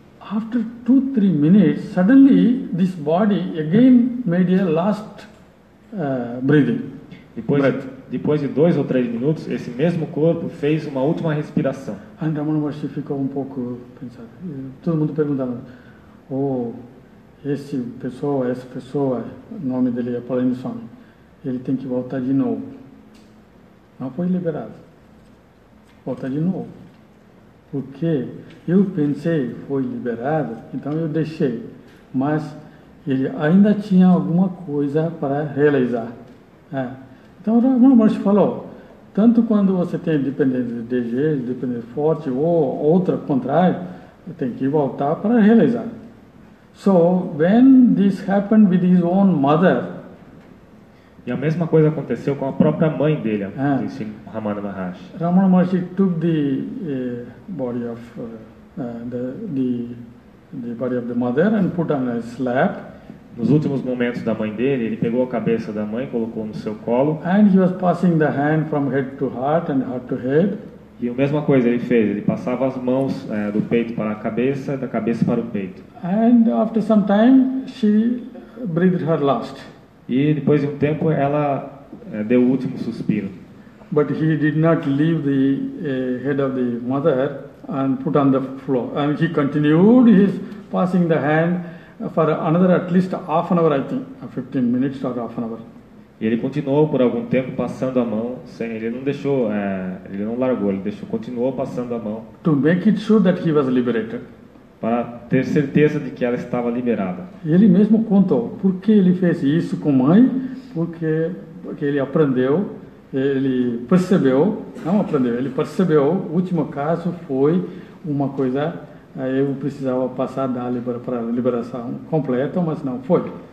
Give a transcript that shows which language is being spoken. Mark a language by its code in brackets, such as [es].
[en] after 2-3 minutes, suddenly this body again made a last breathing. [pt] Depois de 2 ou 3 minutos, esse mesmo corpo fez uma última respiração. And Ramana Maharshi ficou um pouco pensado. Todo mundo perguntando: oh, essa pessoa, o nome dele é Apolline Swami, ele tem que voltar de novo. Não foi liberado. Volta de novo. Porque eu pensei, foi liberado, então eu deixei. Mas ele ainda tinha alguma coisa para realizar. É. Então, Ramana Maharshi falou, tanto quando você tem dependência de desejo, dependência forte, ou outra, contrário, tem que voltar para realizar. [en] So, when this happened with his own mother... [pt] E a mesma coisa aconteceu com a própria mãe dele, disse Ramana Maharshi. [en] Ramana Maharshi took the body of the body of the mother and put on a slab. [pt] Nos últimos momentos da mãe dele, ele pegou a cabeça da mãe, colocou no seu colo. [en] And he was passing the hand from head to heart and heart to head. [pt] E a mesma coisa ele fez, ele passava as mãos do peito para a cabeça, da cabeça para o peito. [en] And after some time, she breathed her last. [pt] E depois de um tempo, ela deu o último suspiro. [en] But he did not leave the head of the mother and put on the floor. And he continued his passing the hand for another at least half an hour, I think, 15 minutes or half an hour. [pt] E ele continuou por algum tempo passando a mão, sem, ele não deixou, ele não largou, ele deixou, continuou passando a mão. [en] To make it sure that he was liberated. [pt] Para ter certeza de que ela estava liberada. Ele mesmo contou por que ele fez isso com a mãe, porque ele aprendeu, ele percebeu, não aprendeu, ele percebeu, o último caso foi uma coisa, eu precisava passar da liberação completa, mas não foi.